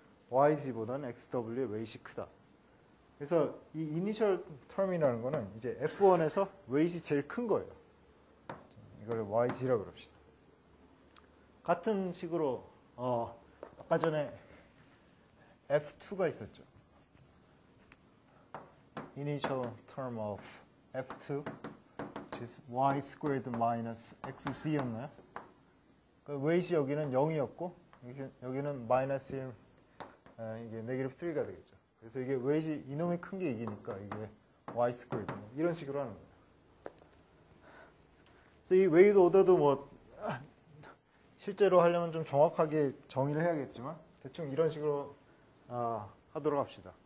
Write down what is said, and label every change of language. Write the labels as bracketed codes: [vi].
[ko] Y's보다는 XW의 weight이 크다. 그래서 이 initial term이라는 거는 이제 F1에서 weight이 제일 큰 거예요. 이걸 YG라고 합시다. 같은 식으로 아까 전에 F2가 있었죠. [en] Initial term of F2 which is Y squared minus XC [ko] 였나요? 그 weight이 여기는 0이었고 여기는 마이너스 1, 이게 네기티브 3가 되겠죠. 그래서 이게 weight이 이놈이 큰 게 이기니까 이게 Y squared 이런 식으로 하는 거예요. 이 웨이드 오더도 뭐 실제로 하려면 좀 정확하게 정의를 해야겠지만 대충 이런 식으로 하도록 합시다.